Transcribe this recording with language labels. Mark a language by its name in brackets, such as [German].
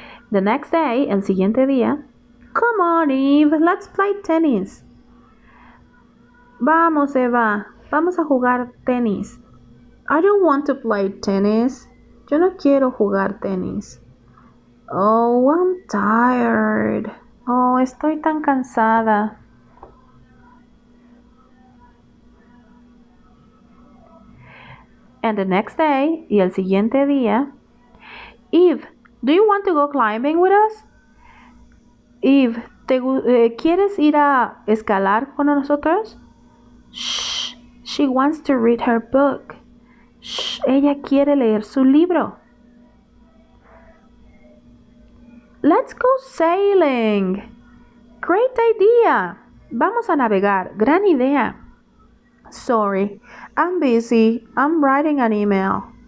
[English] The next day, [Spanish] el siguiente día. [English] Come on, Eve, let's play tennis. [Spanish] Vamos, Eva, vamos a jugar tenis. [English] I don't want to play tennis. [Spanish] Yo no quiero jugar tenis. [English] Oh, I'm tired. [Spanish] Oh, estoy tan cansada. [English] And the next day, [Spanish] y el siguiente día. [English] Eve, do you want to go climbing with us? [Spanish] Eve, ¿quieres ir a escalar con nosotros? [English] Shh, she wants to read her book. [Spanish] Shh, ella quiere leer su libro. [English] Let's go sailing. Great idea. [Spanish] Vamos a navegar. Gran idea. [English] Sorry, I'm busy. I'm writing an email.